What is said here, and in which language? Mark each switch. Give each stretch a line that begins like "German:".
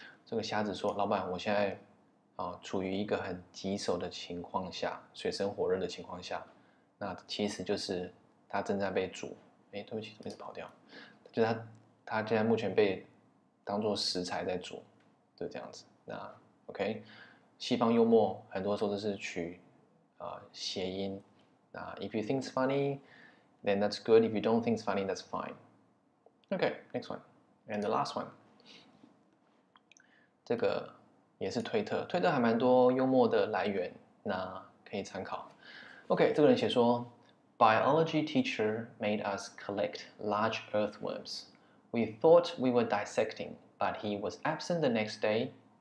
Chinese: 这个瞎子说：“老板，我现在、处于一个很棘手的情况下，水深火热的情况下，那其实就是他正在被煮。哎，对不起，一直跑掉。就是他现在目前被当作食材在煮，就这样子。那 OK， 西方幽默很多时候都是取谐音。
English: 那 If you think it's funny, then that's good. If you don't think it's funny, that's fine. OK, next one and the last one.
Chinese: 这个也是推特，推特还蛮多幽默的来源，那可以参考。OK， 这个人写说
English: Biology teacher made us collect large earthworms. We thought we were dissecting, but he was absent the next day.